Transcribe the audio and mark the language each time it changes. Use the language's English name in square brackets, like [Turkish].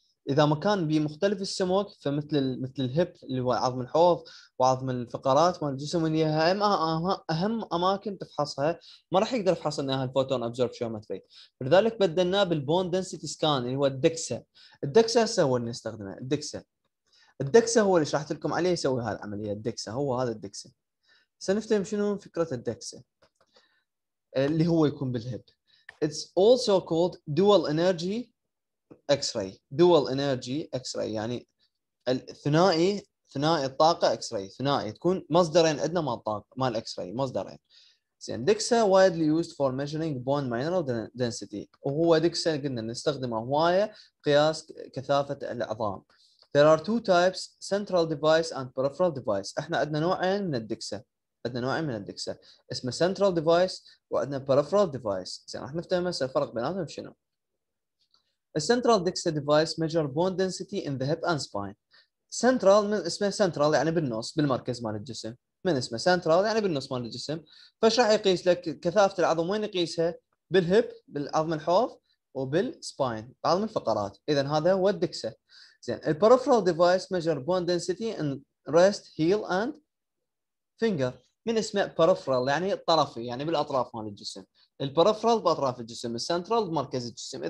[Arabic] اذا مكان بمختلف السموك فمثل الهيب اللي هو عظم الحوض وعظم الفقرات مال الجسم، اللي هي اهم اماكن تفحصها، ما راح يقدر يفحص انها الفوتون ابزوربشيومتري. لذلك بدلناه بالبون دنسيتي سكان اللي هو الدكسه. الدكسه هسه هو اللي نستخدمه. الدكسه هو اللي شرحت لكم عليه يسوي هذه العمليه. الدكسه هو هذا الدكسه. سنفتهم شنو فكرة الدكسة اللي هو يكون بالهب. [English] It's also called dual energy X-ray. Dual energy X-ray [Arabic] يعني الثنائي ثنائي الطاقه اكس راي، ثنائي تكون مصدرين عندنا مال الطاقه مال الاكس راي مصدرين. زين دكسا [English] widely used for measuring bone mineral density, [Arabic] وهو دكسا قلنا نستخدمه هوايه قياس كثافه العظام. [English] There are two types, central device and peripheral device. [Arabic] احنا عندنا نوعين من الدكسة، عندنا نوعين من الدكسة اسمه central device وعندنا peripheral device. زين راح نفهم هسه الفرق بيناتهم شنو. [English] A central dexa device measure bone density in the hip and spine. [Arabic] Central من اسمه central يعني بالنص بالمركز مال الجسم، من اسمه central يعني بالنص مال الجسم. فايش راح يقيس لك كثافة العظم؟ وين يقيسها؟ بالهيب بالعظم الحوض وبالسباين بعظم الفقرات. اذا هذا هو الدكسة. زين البريفرال [English] device measure bone density in wrist heel and finger, [Arabic] من اسمه بريفرال يعني الطرفي يعني بالاطراف مال الجسم، البريفرال باطراف الجسم، السنترال بمركز الجسم.